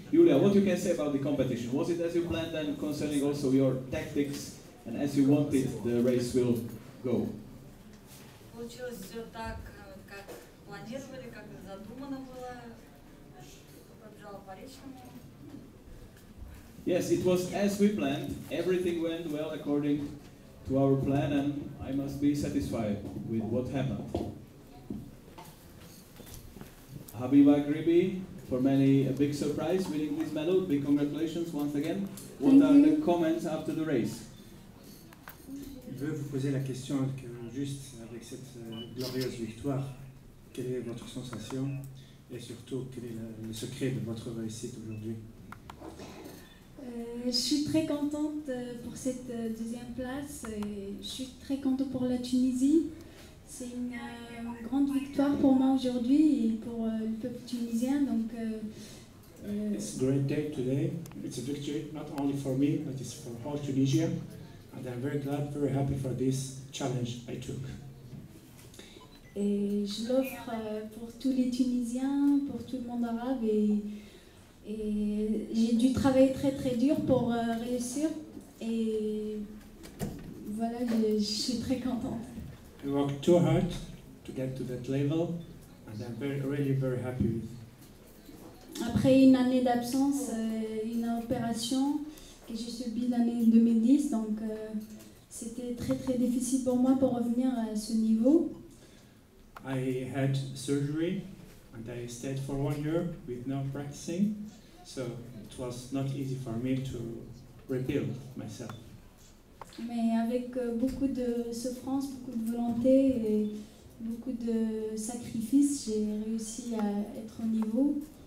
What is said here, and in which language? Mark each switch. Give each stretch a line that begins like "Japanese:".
English: Yuliya, what you can say about the competition? Was it as you planned and concerning also your tactics and as you wanted the race will go?
Russian: Получилось все так, как планировали, как задумано было. Побежала по речному.
English: Yes, it was as we planned. Everything went well according to our plan, and I must be satisfied with what happened. Habiba Ghribi, for many a big surprise winning this medal. Big congratulations once again. What are the comments after the race?
French: Je veux vous poser la question que juste avec cette glorieuse victoire, quelle est votre sensation et surtout quel est le secret de votre réussite aujourd'hui? Je suis très contente pour cette deuxième place et je suis très contente pour la Tunisie. C'est une grande victoire pour moi aujourd'hui et pour le peuple tunisien. Donc,
English: it's a great day today. It's a victory not only for me, but it's for all Tunisia. And I'm very glad, very happy for this challenge I took.
French: Et je l'offre pour tous les Tunisiens, pour tout le monde arabe et j'ai dû travailler très très dur pour réussir et voilà, je suis très contente.
English: I worked too hard to get to that level and I'm very, really very happy.
French: Après une année d'absence, une opération que j'ai subie l'année 2010, donc c'était très très difficile pour moi pour revenir à ce niveau.
English: I had surgery and I stayed for 1 year with no practicing. So it was not easy for me to rebuild myself.
French: Mais avec beaucoup de souffrance, beaucoup de volonté et beaucoup de sacrifices, j'ai réussi à être au niveau.